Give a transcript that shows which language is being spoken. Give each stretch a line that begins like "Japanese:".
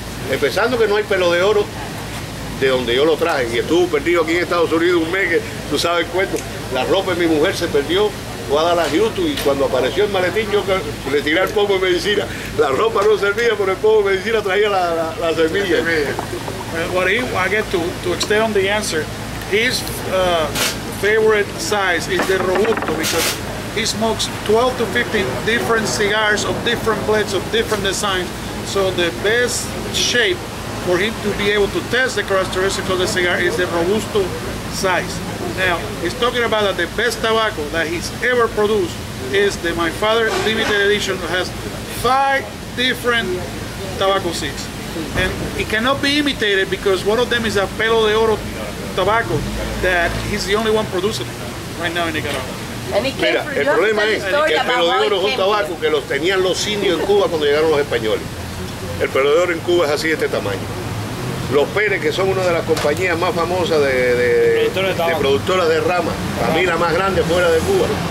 Spanish: Empezando que no hay pelo de oro de donde yo lo traje, y estuvo perdido aquí en Estados Unidos un mes, que tú sabes el cuento. La ropa de mi mujer se perdió, fue a dar a Houston, y cuando apareció el maletín, yo le tiré el pomo de medicina. La ropa no servía, pero el pomo de medicina traía la semilla.
English: To extend on the answer, his favorite size is the Robusto, because he smokes 12 to 15 different cigars of different blends, of different designs, so the best shape for him to be able to test the characteristics of the cigar is the Robusto size. Now, he's talking about that the best tobacco that he's ever produced is the My Father Limited Edition, that has 5 different tobacco seeds. And it cannot be imitated because one of them is a Pelo de Oro tobacco that he's the only one producing right now in Nicaragua.
Spanish: Mira, el problema es que el Pelo de Oro es un tabaco que los tenían los indios en Cuba cuando llegaron los españoles. El Pelo de Oro en Cuba es así de este tamaño. Los Pérez, que son una de las compañías más famosas de productoras de rama, para mí la más grande fuera de Cuba.